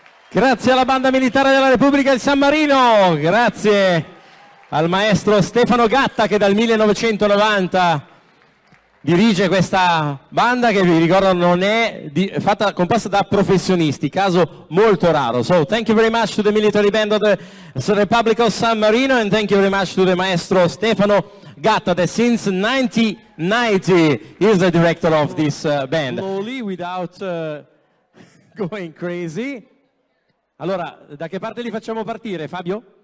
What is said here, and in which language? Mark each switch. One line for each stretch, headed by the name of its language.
Italian: Grazie alla Banda Militare della Repubblica di San Marino, grazie al maestro Stefano Gatta che dal 1990 dirige questa banda che, vi ricordo, non è fatta, composta da professionisti, caso molto raro.
English: So, thank you very much to the military band of the Republic of San Marino and thank you very much to the maestro Stefano Gatta that since 1990 is the director of this band. Slowly, without going crazy.
Italian: Allora, da che parte li facciamo partire, Fabio?